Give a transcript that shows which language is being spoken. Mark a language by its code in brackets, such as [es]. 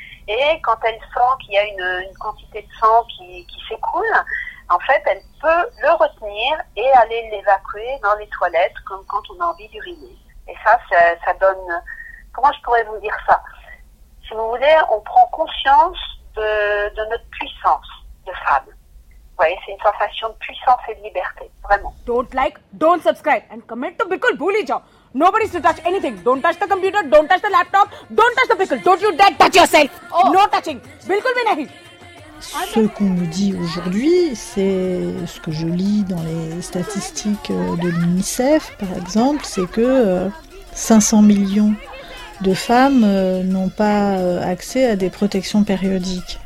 [fr] Et quand elle sent qu'il y a une quantité de sang qui s'écoule, en fait, elle peut le retenir et aller l'évacuer dans les toilettes comme quand on a envie d'uriner. Et ça donne... Comment je pourrais vous dire ça? Si vous voulez, on prend conscience de notre puissance de femme. Vous voyez, c'est une sensation de puissance et de liberté, vraiment. [en] Don't like, don't subscribe, and comment to pickle, bully job. Nobody should touch anything. Don't touch the computer, don't touch the laptop, don't touch the pickle. Don't you dare touch yourself. Oh. No touching. [hi] Bilkul bhi nahi. [fr] Ce qu'on me dit aujourd'hui, c'est ce que je lis dans les statistiques de l'UNICEF, par exemple, c'est que 500 millions de femmes n'ont pas accès à des protections périodiques.